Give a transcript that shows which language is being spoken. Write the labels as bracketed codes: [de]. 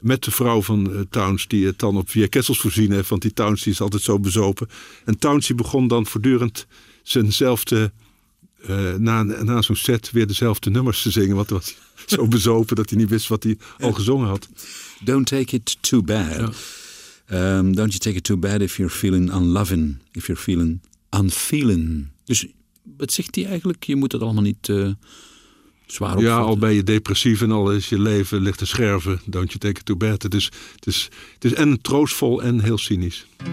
[nl] Met de vrouw van Towns, die het dan op vier kessels voorzien heeft. Want die Towns die is altijd zo bezopen. En Towns die begon dan voortdurend zijnzelfde, na zo'n set weer dezelfde nummers te zingen. Want was zo bezopen dat hij niet wist wat hij al gezongen had. [en] Don't take it too bad. Ja. Don't you take it too bad if you're feeling unloving. If you're feeling unfeeling. [nl] Dus wat zegt hij eigenlijk? Je moet dat allemaal niet... zwaar ja, al ben je depressief en al is je leven ligt te scherven. [en] Don't you take it too bad. [nl] Het is en troostvol en heel cynisch.